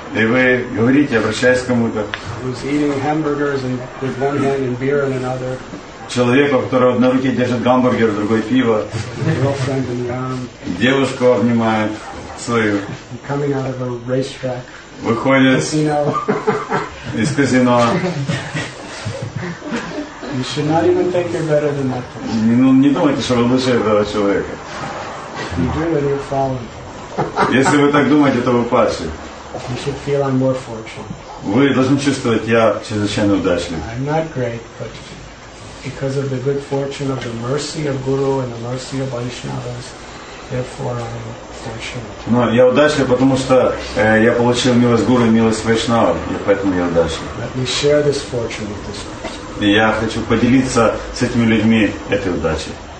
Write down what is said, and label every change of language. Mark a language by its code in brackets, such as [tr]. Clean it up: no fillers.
[ru] И вы говорите, обращаясь к кому-то. [en] Who's eating hamburgers and with one hand and beer in another. [ru] Человека, который в одной руке держит гамбургер, в другой пиво. [en] Girlfriend in the arm. [ru] Девушку обнимает. Свою. [en] Coming out of a racetrack. [ru] Выходит из казино. [en] You should not even think you're better than that person. [ru] Не думайте, что вы лучше этого человека. [en] You do it, you're falling. [ru] Если вы так думаете, то вы падшие. [en] You should feel I'm more fortunate. [ru] Вы должны чувствовать, я чрезвычайно удачлив. [en] I'm not great, but because of the good fortune of the mercy of Guru and the mercy of Vaishnavas, therefore I'm [ru] Но я удачлив, потому что я получил милость Гуру и милость Вайшнава, и поэтому я удачлив. И я хочу поделиться с этими людьми этой удачей.